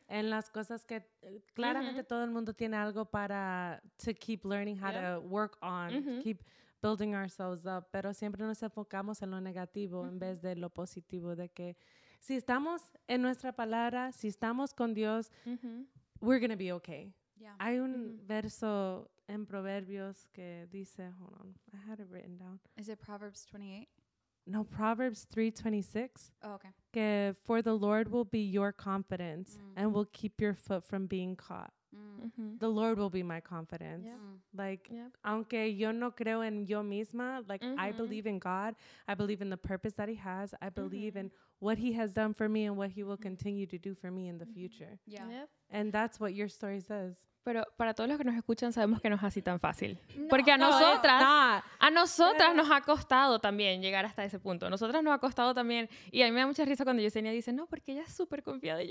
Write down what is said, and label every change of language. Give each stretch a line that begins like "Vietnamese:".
Spanish: en las cosas que claramente uh-huh. todo el mundo tiene algo para
English: to keep learning how
Spanish: yeah.
English: to work on, uh-huh. keep... building ourselves up,
Spanish: pero siempre nos enfocamos en lo negativo mm-hmm. en vez de lo positivo, de que si estamos en nuestra palabra, si estamos con Dios, mm-hmm.
English: we're gonna be okay. Yeah.
Spanish: Hay un mm-hmm. verso en Proverbios que dice,
English: hold on, I had it written down. Is it Proverbs 28? No, Proverbs 3:26. Oh, okay. Que for the Lord will be your confidence mm-hmm. and will keep your foot from being caught. Mm-hmm. The Lord will be my confidence. Yeah. Like, yep.
Spanish: aunque yo no creo en yo misma, like, mm-hmm.
English: I believe in God. I believe in the purpose that He has. I believe mm-hmm. in what He has done for me and what He will continue to do for me in the mm-hmm. future. Yeah. Yep. And that's what your story says.
Spanish: Pero para todos los que nos escuchan, sabemos que no es así tan fácil. No, porque a nosotras yeah. nos ha costado también llegar hasta ese punto. Nosotras nos ha costado también. Y a mí me da mucha risa cuando Yesenia dice, no, porque ella es súper confiada.